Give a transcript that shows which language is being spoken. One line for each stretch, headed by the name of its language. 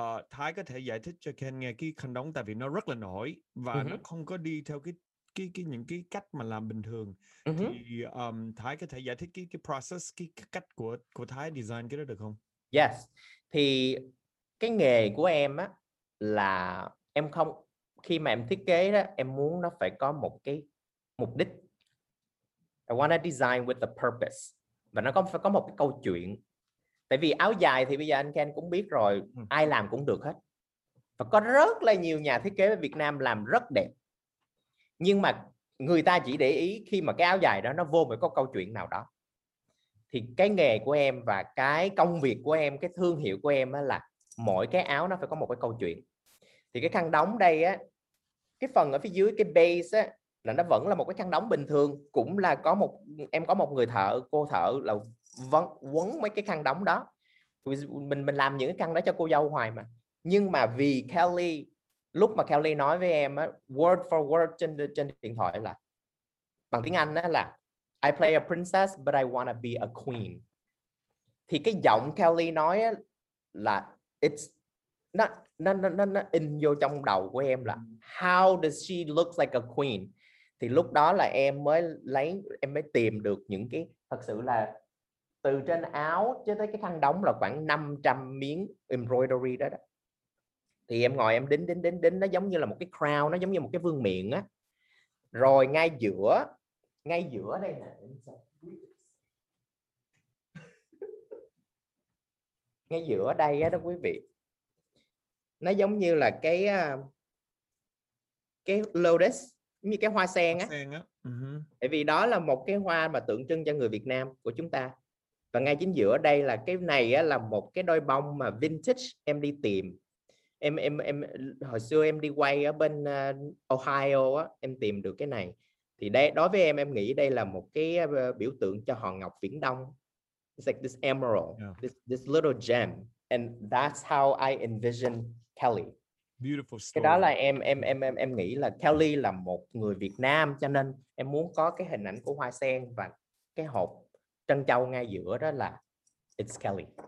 Vietnamese: Thái có thể giải thích cho Ken nghe cái khăn đóng, tại vì nó rất là nổi và nó không có đi theo cái những cái cách mà làm bình thường. Thì Thái có thể giải thích cái process, cái cách của Thái design cái đó được không? Yes. Thì cái nghề của em á là em không, khi mà em thiết kế đó em muốn nó phải có một cái mục đích.
English: I wanna design with a purpose.
Vietnamese: Và nó phải có một cái câu chuyện. Tại vì áo dài thì bây giờ anh Ken cũng biết rồi, ai làm cũng được hết. Và có rất là nhiều nhà thiết kế ở Việt Nam làm rất đẹp. Nhưng mà người ta chỉ để ý khi mà cái áo dài đó nó vô phải có câu chuyện nào đó. Thì cái nghề của em và cái công việc của em, cái thương hiệu của em là mỗi cái áo nó phải có một cái câu chuyện. Thì cái khăn đóng đây á, cái phần ở phía dưới cái base á, là nó vẫn là một cái khăn đóng bình thường, cũng là có một, em có một người thợ, cô thợ là vẫn quấn mấy cái khăn đóng đó. Mình làm những cái khăn đó cho cô dâu hoài mà. Nhưng mà vì Kelly, lúc mà Kelly nói với em á,
English: word for word
Vietnamese: trên điện thoại là bằng tiếng Anh á là
English: I play a princess but I want to be a queen.
Vietnamese: Thì cái giọng Kelly nói là
English: it's not in
Vietnamese: vô trong đầu của em là
English: how does she look like a queen.
Vietnamese: Thì lúc đó là em mới lấy, em mới tìm được những cái, thật sự là từ trên áo cho tới cái khăn đóng là khoảng 500 miếng embroidery đó, đó. Thì em ngồi em đính, nó giống như là một cái crown, nó giống như một cái vương miện á. Rồi ngay giữa đây nè. Ngay giữa đây á đó quý vị. Nó giống như là cái lotus, như cái hoa sen á. Tại vì đó là một cái hoa mà tượng trưng cho người Việt Nam của chúng ta. Và ngay chính giữa đây là cái này á, là một cái đôi bông mà vintage em đi tìm. Em hồi xưa em đi quay ở bên Ohio á, em tìm được cái này. Thì đây, đối với em nghĩ đây là một cái biểu tượng cho hòn ngọc Viễn Đông.
English: It's like this emerald, this little gem, and that's how I envision Kelly. Beautiful story.
Vietnamese: Cái đó là em nghĩ là Kelly là một người Việt Nam, cho nên em muốn có cái hình ảnh của hoa sen và cái hộp trân châu ngay giữa đó là
English: it's Kelly.